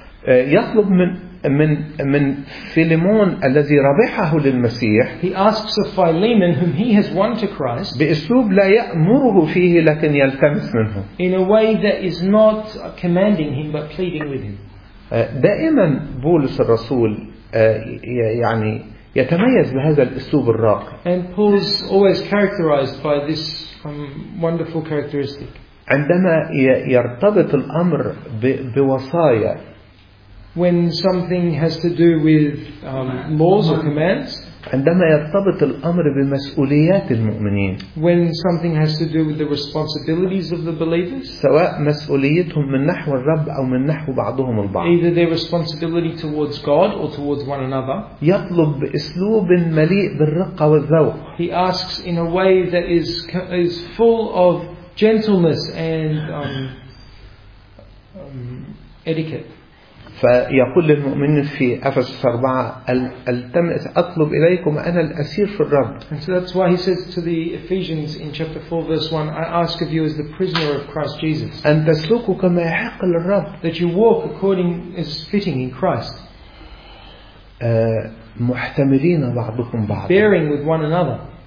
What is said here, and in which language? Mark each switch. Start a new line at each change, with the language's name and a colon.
Arabic: يطلب من فيليمون الذي ربحه للمسيح.
English: He asks of Philemon whom he has won to Christ.
Arabic: بأسلوب لا يأمره فيه لكن يلتمس منه.
English: In a way that is not commanding him but pleading with him.
Arabic: دائما بولس الرسول يعني يتميز بهذا الأسلوب الراقي.
English: And Paul's always characterized by this wonderful characteristic.
Arabic: عندما يرتبط الأمر بوصايا.
English: When something has to do with laws or commands.
Arabic: عندما يرتبط الأمر بمسؤوليات المؤمنين.
English: When something has to do with the responsibilities of the believers.
Arabic: سواء مسؤوليتهم من نحو الرب أو من نحو بعضهم البعض.
English: Either their responsibility towards God or towards one another.
Arabic: يطلب بأسلوب مليء بالرقة والذوق.
English: He asks in a way that is full of gentleness and etiquette.
Arabic: فيقول للمؤمنين في أفسس 4 التمس أطلب إليكم أنا الأسير في الرب.
English: And so that's why he says to the Ephesians in chapter 4 verse 1, I ask of you as the prisoner of Christ Jesus.
Arabic: أن تسلكوا كما يحق للرب.
English: That you walk according as fitting in Christ.
Arabic: محتملين بعضكم بعضا.
English: Bearing with one another.